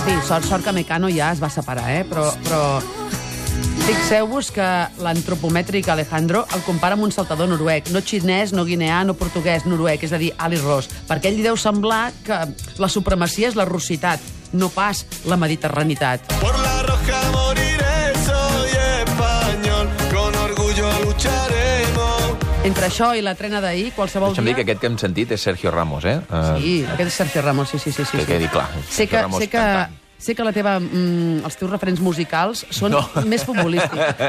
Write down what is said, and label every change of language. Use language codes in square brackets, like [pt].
[ca] Sort que Mecano ja es va separar, però fixeu-vos que l'antropomètric Alejandro el compara amb un saltador noruec, no xinès, no guineà, no portuguès, noruec, és a dir, Alice Ross, perquè ell li deu semblar que la supremacia és la russitat, no pas la mediterranitat. [es] Por la roja moriré, soy español, con orgullo lucharé. [ca] Entre això i la trena d'ahir, qualsevol dia... Deixa'm dir que aquest que hem sentit és Sergio Ramos, Sí, aquest és Sergio Ramos, sí. Que quedi clar, Sergio Ramos cantant. Sé que la teva, els teus referents musicals són més futbolístics.